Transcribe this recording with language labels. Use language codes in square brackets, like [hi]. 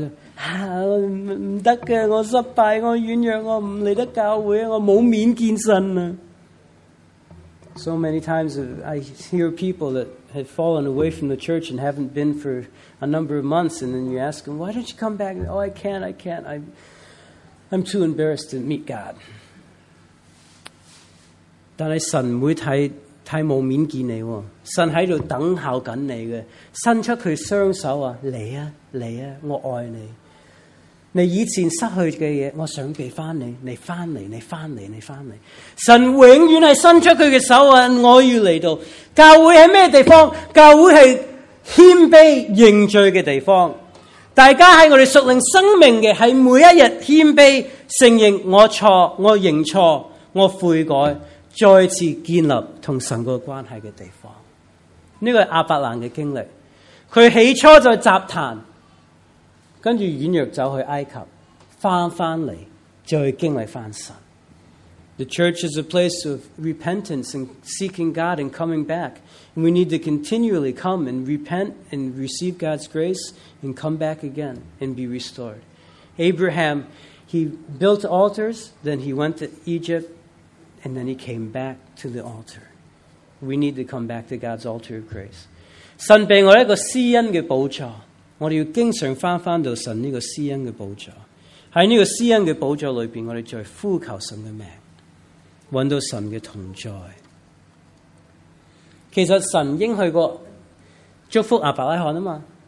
[yue] 唔得嘅，我失败，我软弱，我唔嚟得教会，我冇面见神啊。 [en] So many times I hear people that have fallen away from the church and haven't been for a number of months, and then you ask them, "Why don't you come back?" "Oh, I can't. I'm too embarrassed to meet God." [yue] 但系神唔会太冇面见你，神喺度等候紧你嘅，伸出佢双手啊，嚟啊，我爱你。你以前失去嘅嘢，我想俾翻你，你翻嚟。神永远系伸出佢嘅手啊，我要嚟到。教会喺咩地方？教会系谦卑认罪嘅地方。大家喺我哋属灵生命嘅，喺每一日谦卑承认我错，我认错，我悔改，再次建立同神个关系嘅地方。呢个系亚伯兰嘅经历，佢起初在杂坛。跟住软弱走去埃及，翻嚟就去经历翻神。 [en] The church is a place of repentance and seeking God and coming back. And we need to continually come and repent and receive God's grace and come back again and be restored. Abraham, he built altars, then he went to Egypt, and then he came back to the altar. We need to come back to God's altar of grace. [yue] 神俾我一个施恩嘅宝座。我哋要经常翻到神呢个施恩嘅宝座，喺呢个施恩嘅宝座里边，我哋再呼求神嘅名，揾到神嘅同在。其实神应许过祝福亚伯拉罕啊嘛。